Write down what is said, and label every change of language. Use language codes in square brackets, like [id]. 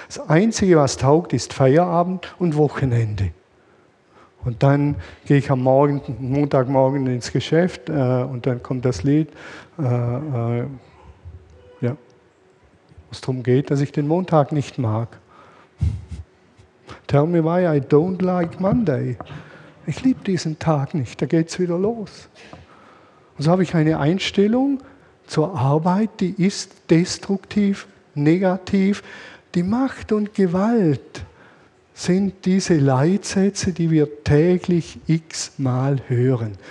[de] Das Einzige, was taugt, ist Feierabend und Wochenende. Und dann gehe ich am Morgen, Montagmorgen ins Geschäft und dann kommt das Lied, was darum geht, dass ich den Montag nicht mag. [en] Tell me why I don't like Monday. [de] Ich liebe diesen Tag nicht, da geht's wieder los. Und so habe ich eine Einstellung zur Arbeit, die ist destruktiv, negativ. Die Macht und Gewalt sind diese Leitsätze, die wir täglich x-mal hören.